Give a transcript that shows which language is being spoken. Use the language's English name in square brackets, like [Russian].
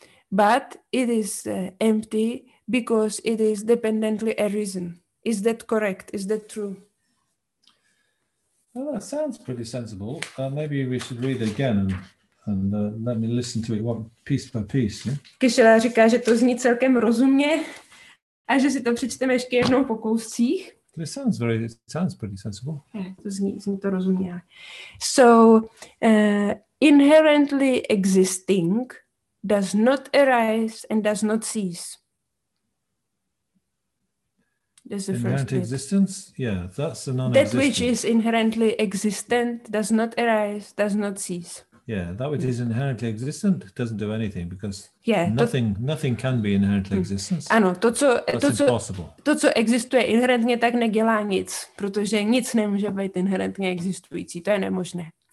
[English] But it is empty because it is dependently arisen. Is that correct? Is that true? Well, that sounds pretty sensible. Maybe we should read it again and let me listen to it one piece by piece. Yeah? [Czech] Kyšela říká, že to zní celkem rozumně a že si to přečteme ještě jednou po kouscích. [English] It sounds very, it sounds pretty sensible. [Czech] Yeah, to zní to rozumně. [English] So, inherently existing does not arise and does not cease. That's the inherent first bit. Existence? Yeah, that's a non-existent. That which is inherently existent does not arise, does not cease. Yeah, that which is inherently existent doesn't do anything because nothing can be inherently existent. [Czech] Ano, to co existuje inherentně, tak nedělá nic, protože nic nemůže být inherentně existující, to je nemožné.